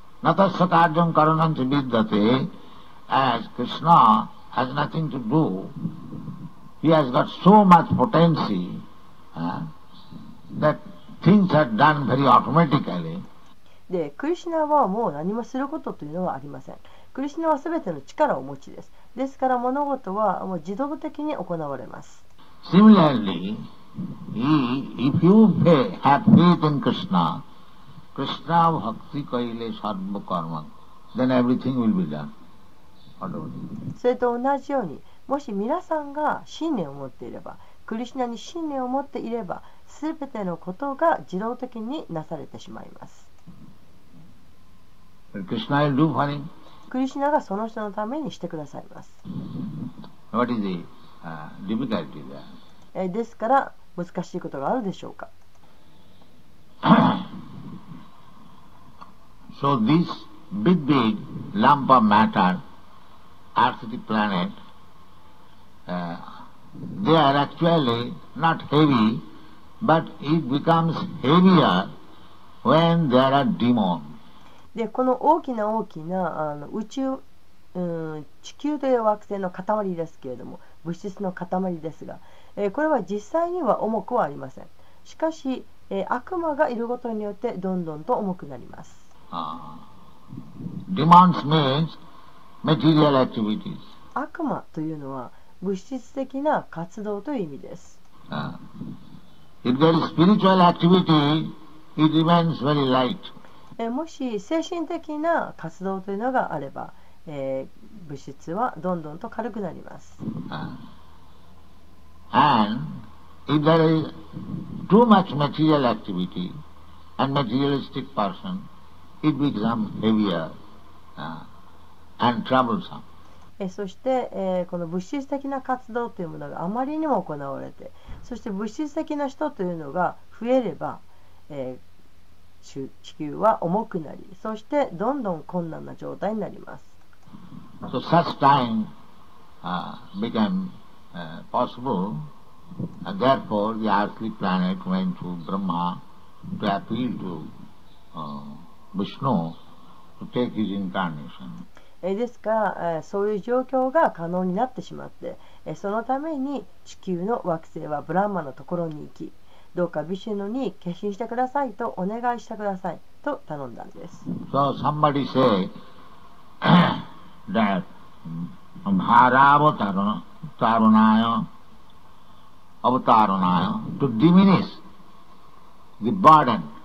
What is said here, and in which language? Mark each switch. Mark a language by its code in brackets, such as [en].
[sa] Natasya karjam karanam cha vidyate, [en] as Krishna has nothing to do, he has got so much potency, that things are done very automatically. [ja] で、クリシナはもう何もすることというのはありません。クリシナはすべての力を持ちです。ですから物事はもう自動的に行われます。 [en] Similarly, if you have faith in Krishna, [bn] Krishna bhakti kaile sarva karma, [en] then everything will be done. [ja] それと同じように、もし皆さんが信念を持っていれば、クリシナに信念を持っていれば、すべてのことが自動的になされてしまいます。 [en] Krishna will do for him. [ja] クリシナがその人のためにしてくださいます。 [en] What is the difficulty there? [ja] ですから難しいことがあるでしょうか。 [en] So this big, big lump of matter, Earth, the planet, they are actually not heavy, but it becomes heavier when there are demons. [ja] で、この大きな大きな宇宙、地球という惑星の塊ですけれども、物質の塊ですが、これは実際には重くはありません。しかし、悪魔がいることによってどんどんと重くなります。 [en] Demons means material activities. [ja] 悪魔というのは物質的な活動という意味です。 [en] If there is spiritual activity, it remains very light. [ja] もし精神的な活動というのがあれば、物質はどんどんと軽くなります。 [en] And if there is too much material activity and materialistic person,It becomes heavier, and troublesome. [ja] そして、この物質的な活動というものがあまりにも行われて、そして物質的な人というのが増えれば、地球は重くなり、そしてどんどん困難な状態になります。 [en] So such time became possible, and therefore the earthly planet went to Brahma to appeal to. Vishnu to take his incarnation. [ja] ですから、そういう状況が可能になってしまって、そのために地球の惑星はブランマのところに行き、どうかビシュノに化身してくださいとお願いしてくださいと頼んだんです。 [en] So somebody say that Bharavatarunayo, Avatarunayo to diminish the burden.